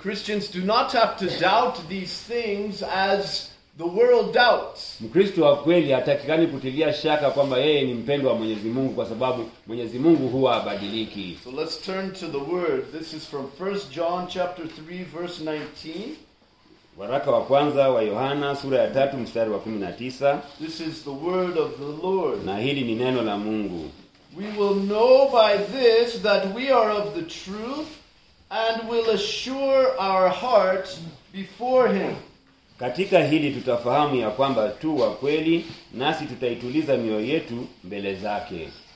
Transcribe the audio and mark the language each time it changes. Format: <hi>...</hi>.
<en>Christians do not have to doubt these things as the world doubts.</en> <sw>Mkristo wa kweli hatakikani kutilia shaka kwamba yeye ni mpendwa wa Mwenyezi Mungu kwa sababu Mwenyezi Mungu huwa abadiliki.</sw> <en>So let's turn to the word. This is from 1 John chapter 3 verse 19.</en> <sw>Waraka wa kwanza wa Yohana sura ya 3 mstari wa 19.</sw> <en>This is the word of the Lord.</en> <sw>Na hili ni neno la Mungu.</sw> <en>We will know by this that we are of the truth and will assure our hearts before Him.</en> <sw>Katika hili tutafahamu ya kwamba tu wa kweli nasi tutaituliza mioyo yetu mbele zake.</sw>